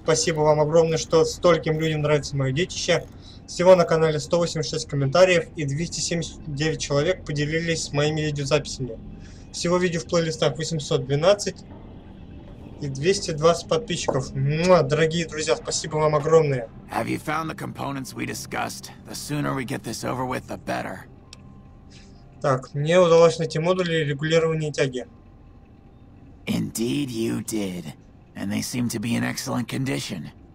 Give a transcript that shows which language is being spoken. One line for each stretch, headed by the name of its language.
Russian: Спасибо вам огромное, что стольким людям нравится мое детище. Всего на канале 186 комментариев и 279 человек поделились моими видеозаписями. Всего видео в плейлистах 812 и 220 подписчиков. Муа, дорогие друзья, спасибо вам огромное.
English: Have you found the components we discussed? The sooner we get this over with, the better.
Russian: Так, мне удалось найти модули регулирования тяги.
English: Indeed you did. And they seem to be in excellent condition.